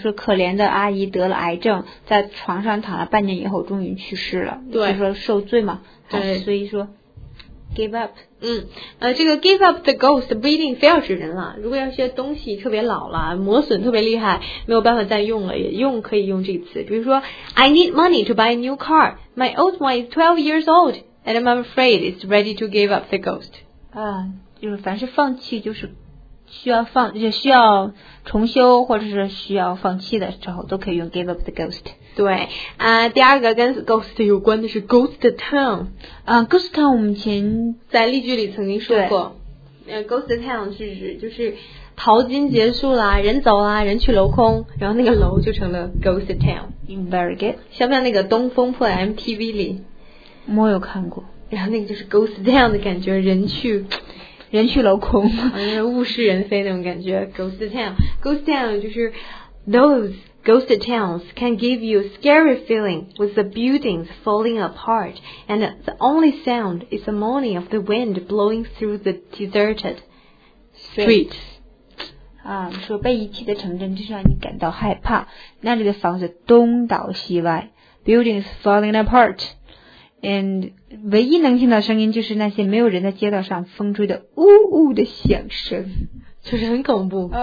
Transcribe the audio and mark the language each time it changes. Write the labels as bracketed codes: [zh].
[zh] 说可怜的阿姨得了癌症，在床上躺了半年以后，终于去世了。对，就说受罪嘛。对，所以说 give up。这个 give up the ghost 不一定非要是人了。如果要些东西特别老了，磨损特别厉害，没有办法再用了，也用可以用这个词。比如说 [en] ，I need money to buy a new car. My old one is 12 years old, and I'm afraid it's ready to give up the ghost. [zh] 就是凡是放弃就是。需要重修或者是需要放弃的时候都可以用 give up the ghost。对，第二个跟 ghost 有关的是 ghost town。 ghost town 我们前在例句里曾经说过。ghost town 就是淘金结束了，人走了，人去楼空，然后那个楼就成了 ghost town。 [en] very good， [zh] 像不像那个东风破 MTV 里，我有看过，然后那个就是 ghost town 的感觉，人去楼空，物是人非那种感觉。Ghost town 就是 [en] Those ghost towns can give you a scary feeling with the buildings falling apart, and the only sound is the moaning of the wind blowing through the deserted streets. [zh] 说被遗弃的城镇就是让你感到害怕，那里的房子东倒西歪。 [en] Buildings falling apart. And [zh] 唯一能听到声音就是那些没有人在街道上风吹的呜呜的响声。就是很恐怖。